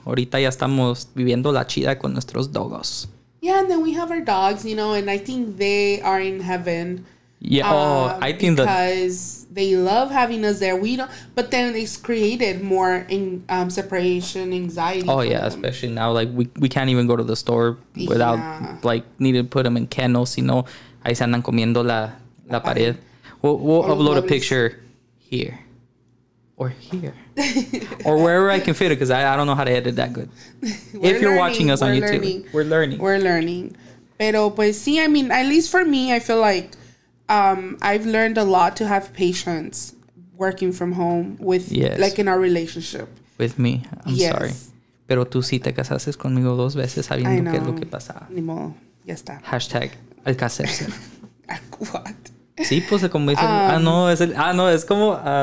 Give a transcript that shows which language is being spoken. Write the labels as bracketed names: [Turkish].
[Spanish] Ahorita ya estamos viviendo la chida con nuestros dogos. [English] Yeah, and then we have our dogs, you know, and I think they are in heaven. Yeah, I think that because they love having us there. We don't, but then it's created more in separation anxiety. Oh yeah, them. Especially now, like we can't even go to the store without like needing to put them in kennels. You know, [Spanish] ahí se andan comiendo la pared. [English] We'll upload a picture here or here or wherever I can fit it because I don't know how to edit that good. If you're watching us on YouTube, we're learning. [Spanish] Pero pues sí, [English] I mean, at least for me, I feel like. I've learned a lot to have patience working from home with, like, in our relationship. With me. I'm sorry. [Spanish] Pero tú sí te casaste conmigo dos veces sabiendo que es lo que pasaba. Ni modo. Ya está. Hashtag al casarse. [English] What? [Spanish] Sí, pues, como dice. Ah, no, es como.